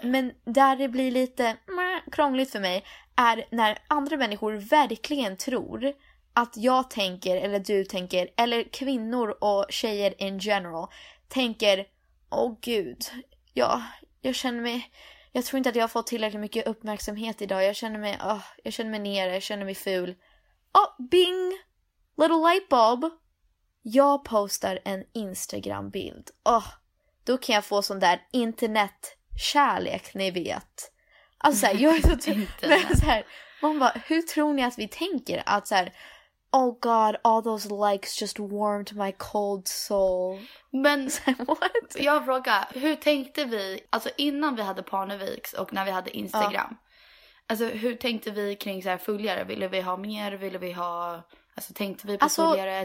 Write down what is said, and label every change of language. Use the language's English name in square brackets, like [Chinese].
[Swedish] Ja, men där det blir lite krångligt för mig är när andra människor verkligen tror att jag tänker, eller du tänker, eller kvinnor och tjejer [English] in general, [Swedish] tänker, åh gud, jag känner mig, jag tror inte att jag har fått tillräckligt mycket uppmärksamhet idag, jag känner mig nere, jag känner mig ful. Åh, bing! [English] Little light bulb! [Swedish] Jag postar en Instagram-bild. Åh, då kan jag få sån där internetkärlek, ni vet. Alltså såhär, jag är så typ, så här, man bara, hur tror ni att vi tänker att så här. [English] Oh god, all those likes just warmed my cold soul. [Swedish] Men, [English] what? [Swedish] Jag frågar, hur tänkte vi, alltså innan vi hade Parneviks och när vi hade Instagram. Alltså hur tänkte vi kring så här följare? Ville vi ha mer? Ville vi ha, alltså tänkte vi på följare?